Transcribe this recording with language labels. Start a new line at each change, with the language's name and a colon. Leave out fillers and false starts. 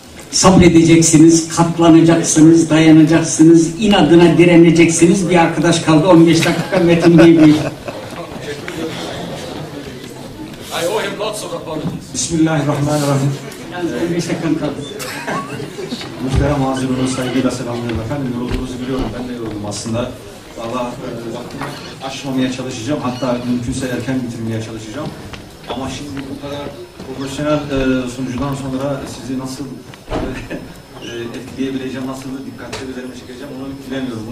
Turkish: Sabredeceksiniz, katlanacaksınız, dayanacaksınız, inadına direneceksiniz. Bir arkadaş kaldı, 15 dakika Metin Bey buyur.
English: I owe him lots of apologies.
Arabic: Bismillahirrahmanirrahim.
Turkish: Yalnız 15 dakika kaldı. Muhterem Hazirun'u saygıyla selamlıyorum efendim. Yorulduğunuzu biliyorum, ben de yoruldum aslında. Valla aşmamaya çalışacağım, hatta mümkünse erken bitirmeye çalışacağım. Ama şimdi bu kadar profesyonel sunucudan sonra sizi nasıl etkileyebileceğim, nasıl dikkatli bir üzerime çekeceğim onu bilemiyorum.